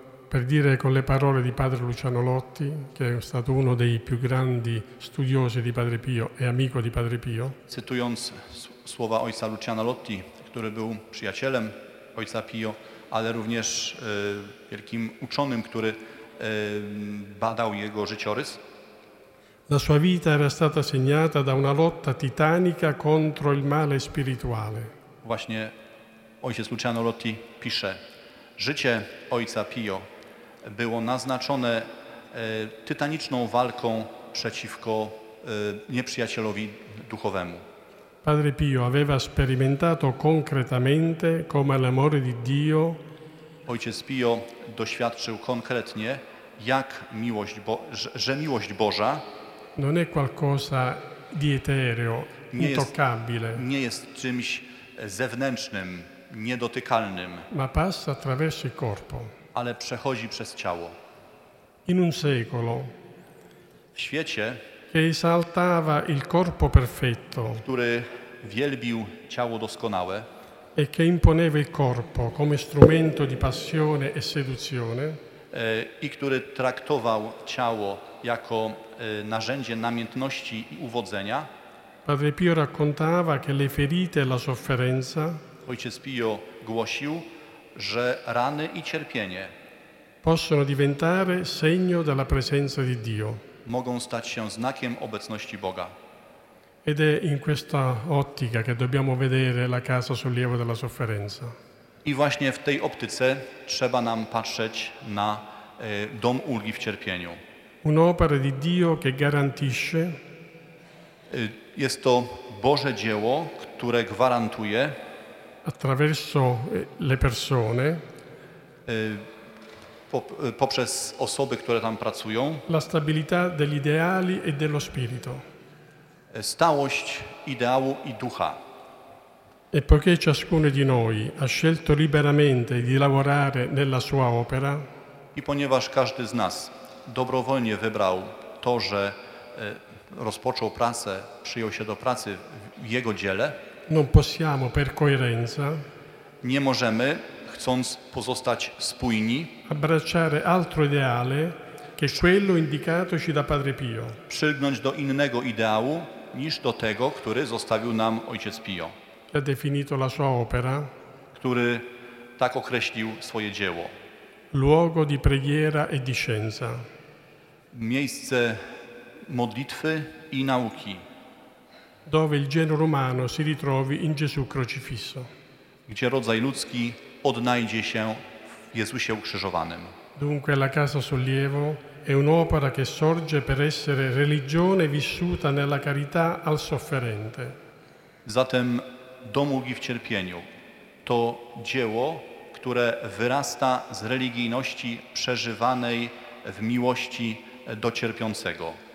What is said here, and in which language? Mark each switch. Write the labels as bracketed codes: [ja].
[it] Per dire con le parole di padre Luciano Lotti, che è stato uno dei più grandi studiosi di padre Pio e amico di padre Pio. [pl] Cytując słowa ojca Luciana Lotti, który był przyjacielem ojca Pio, ale również wielkim uczonym, który badał jego życiorys. [it] La sua vita era stata segnata da una lotta titanica contro il male spirituale. [pl] Właśnie ojciec Luciano Lotti pisze: życie ojca Pio było naznaczone tytaniczną walką przeciwko nieprzyjacielowi duchowemu. [it] Padre Pio aveva sperimentato concretamente come l'amore di Dio. [pl] Ojciec Pio doświadczył konkretnie, jak miłość, że miłość Boża [it] non è qualcosa di etereo, intoccabile. [pl] Nie jest czymś zewnętrznym, niedotykalnym. [it] Ma passa attraverso il corpo. [pl] Ale przechodzi przez ciało. [it] In un secolo, [pl] w świecie, [it] che esaltava il corpo perfetto, [pl] który wielbił ciało doskonałe, [it] e che imponeva il corpo come strumento di passione e seduzione, [pl] i który traktował ciało jako narzędzie namiętności i uwodzenia, [it] padre Pio raccontava che le ferite e la sofferenza, [pl] ojciec Pio głosił, że rany i cierpienie [it] possono diventare segno della presenza di Dio. [pl] Mogą stać się znakiem obecności Boga. [it] Ed è in questa ottica che dobbiamo vedere la Casa Sollievo della Sofferenza. [pl] I właśnie w tej optyce trzeba nam patrzeć na Dom Ulgi w Cierpieniu. [it] Un'opera di Dio che garantisce, [pl] jest to Boże dzieło, które gwarantuje, [it] attraverso le persone, [pl] poprzez osoby, które tam pracują, [it] la stabilità degli ideali e dello spirito, [pl] stałość ideału i ducha. [it] E poiché ciascuno di noi ha scelto liberamente di lavorare nella sua opera, [pl] i ponieważ każdy z nas dobrowolnie wybrał to, że rozpoczął pracę, przyjął się do pracy w jego dziele, [it] non possiamo per coerenza, [pl] nie możemy, chcąc pozostać spójni, [it] abbracciare altro ideale che quello indicatoci da padre Pio, [pl] przylgnąć do innego ideału niż do tego, który zostawił nam ojciec Pio, [it] che ha definito la sua opera, [pl] który tak określił swoje dzieło, [it] luogo di preghiera e di scienza, [pl] miejsce modlitwy i nauki, [it] dove il genere umano si ritrovi in Gesù crocifisso. [pl] Gdzie rodzaj ludzki odnajdzie się w Jezusie ukrzyżowanym. [it] Dunque la Casa Sollievo è un'opera che sorge per essere religione vissuta nella carità al sofferente. Zatem do mógł i w cierpieniu. [pl] To dzieło, które wyrasta z religijności przeżywanej w miłości do cierpiącego.